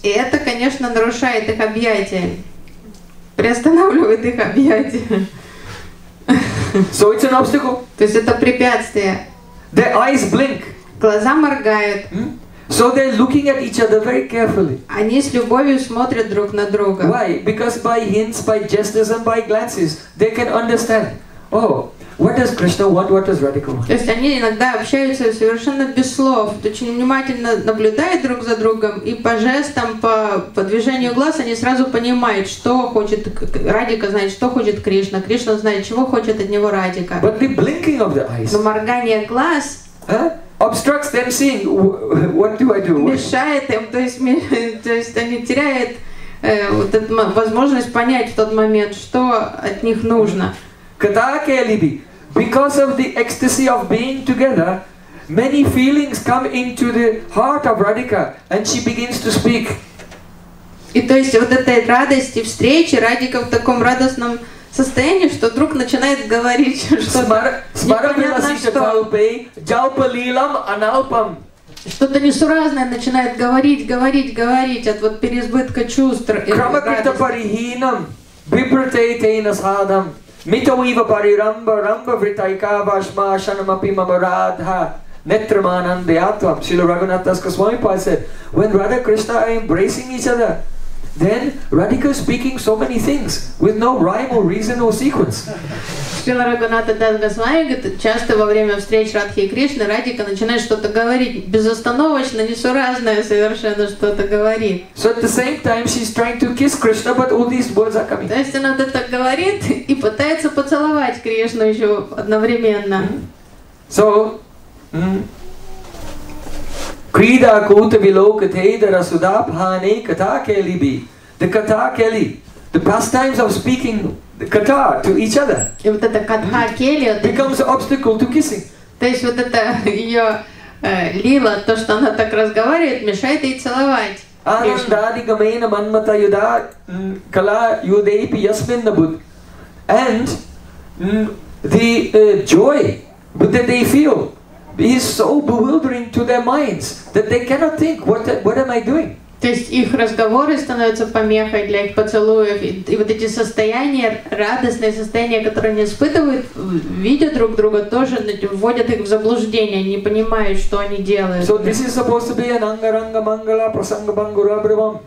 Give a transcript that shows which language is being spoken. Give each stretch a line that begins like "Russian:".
Russian: И это, конечно, нарушает их объятия. Приостанавливает их объятия.
English: So it's an obstacle.
Russian: То есть это препятствие.
English: Their eyes blink.
Russian: Глаза моргают.
English: So they're looking at each other very carefully.
Russian: Они с любовью смотрят друг на друга.
English: Why? Because by hints, by gestures, and by glances, they can understand. Oh, what does Krishna want? What does Radhika want?
Russian: То есть они иногда общаются совершенно без слов, очень внимательно наблюдают друг за другом, и по жестам, по движению глаз они сразу понимают, что хочет Радика, знает, что хочет Кришна. Кришна знает, чего хочет от него Радика.
English: But the blinking of the eyes.
Russian: Но моргание глаз.
English: Obstructs them seeing. What do I do?
Russian: Мешает им, то есть они теряют вот эту возможность понять в тот момент, что от них нужно.
English: Катакелиби, because of the ecstasy of being together, many feelings come into the heart of Radhika, and she begins to speak.
Russian: И то есть вот этой радости встречи Радика в таком радостном состояние, что друг начинает говорить что-то несуразное, начинает говорить от вот переизбытка чувств.
Sanskrit: Крамакрита парихинам, випратейтейна садам, митавива парирамба, рамба вритайка башма ашанам апимама радха, нетраманан деятвам.
English: Srila Raghunathdas Goswami Pai said, when Radha Krishna are embracing each other, then Radhika is speaking so many things with no rhyme or reason or sequence.
Russian: Srila Raghunathdas Goswami говорит, часто во время встреч Радхи и Кришны Радхика начинает что-то говорить безостановочно, несуразное совершенно что-то говорит.
English: So at the same time she's trying to kiss Krishna, but all these words are coming.
Russian: То есть она вот это говорит и пытается поцеловать Кришну еще одновременно.
Sanskrit: So Krida Kuta Vilokatedara Sudaphane Katakelibi.
English: The Katakeli, the pastimes of speaking the Kata to each other.
Russian: И вот эта Катхакели
English: becomes an obstacle to kissing.
Russian: То есть вот это ее лила, то, что она так разговаривает, мешает ей целовать.
Sanskrit: Анандади Гамена Манмата Юда Кала Юдейпи Ясминнабуд.
English: And the joy that they feel is so bewildering to their minds that they cannot think, what am I doing?
Russian: То есть их разговоры становятся помехой для их поцелуев, и вот эти состояния, радостные состояния, которые они испытывают, видя друг друга, тоже вводят их в заблуждение, не понимают, что они делают.
English: So this is supposed to be an
Sanskrit: anga-ranga mangala prasanga bangurabhravam.